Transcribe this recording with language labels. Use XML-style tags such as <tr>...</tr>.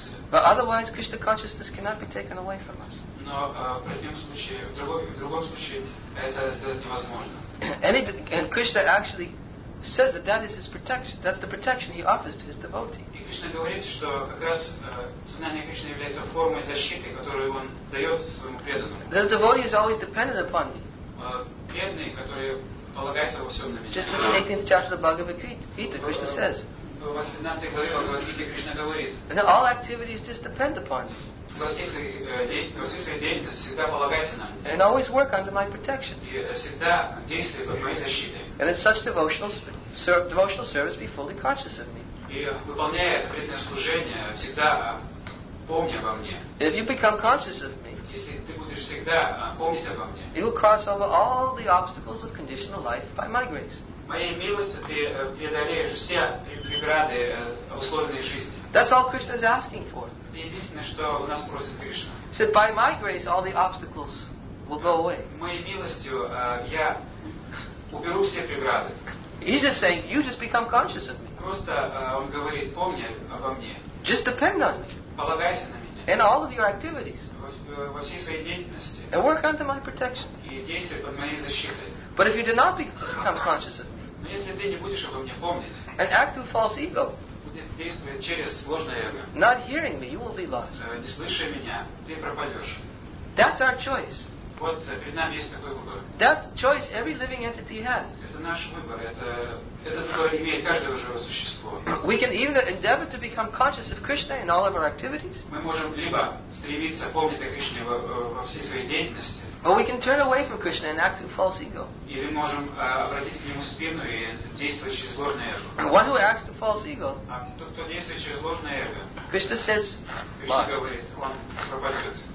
<en>But otherwise, Krishna consciousness cannot be taken away from us. And Krishna actually says that that is his protection. That's the protection he offers to his devotee.</en> <ru>Кришна говорит, что как раз сознание Кришны является формой защиты, которую он дает своему преданному.</ru> <en>The devotee is always dependent upon me.</en> <ru>Преданный, который полагается во всем на меня.</ru> <en>Just as in 18th chapter of the Bhagavad Gita, Krishna says.</en> <ru>В 18 главе Бхагавад Гиты Кришна говорит.</ru> <en>And all activities just depend upon me.</en> <ru>Во всех своих деятельности всегда полагайся на меня.</ru> <en>And always work under my protection.</en> <ru>И всегда действуй под моей защитой.</ru> <en>And in such devotional service, be fully conscious of me.</en> <ru>И выполняя это преданное служение, всегда помни обо мне.</ru> <en>If you become conscious of me,</en> <ru>если ты будешь всегда помнить обо мне,</ru> <en>you will cross over all the obstacles of conditional life by my grace.</en> <ru>Моей милостью ты преодолеешь все преграды условной жизни.</ru> <en>That's all Krishna is asking for.</en> <ru>Это единственное, что у нас просит Кришна.</ru> <en>So by my grace, all the obstacles will go away.</en> <ru>Моей милостью я уберу все преграды.</ru> <en>He's just saying, you just become conscious of me.</en> <ru>Просто он говорит, помни обо мне.</ru> <en>Just depend on me.</en> <ru>Полагайся на меня.</ru> <en>In all of your activities.</en> <ru>Во всей своей деятельности.</ru> <en>And work under my protection.</en> <ru>И действуй под моей защитой.</ru> <en>But if you do not become conscious of me.</en> <ru>Но если ты не будешь обо мне помнить.</ru> <en>And act with false ego.</en> <ru>Будешь действовать через ложное эго.</ru> <en>Not hearing me, you will be lost.</en> <ru>Не слыша меня, ты пропадешь.</ru> <en>That's our choice.</en> <ru>Вот перед нами есть такой выбор.</ru> <en>That choice every living entity has.</en> <ru>Это наш выбор. Это выбор имеет каждое живое существо.</ru> <en>We can even endeavor to become conscious of Krishna in all of our activities.</en> <ru>Мы можем либо стремиться помнить о Кришне во всей своей деятельности.</ru> <en>Or we can turn away from Krishna and act with false ego.</en> <ru>Или можем обратить к нему спину и действовать через ложное эго.</ru> <en>One who acts with false ego.</en> <ru>А тот, кто действует через ложное эго.</ru> <en>Krishna says, lost.</en> <ru>Кришна говорит, он пропадет.</ru>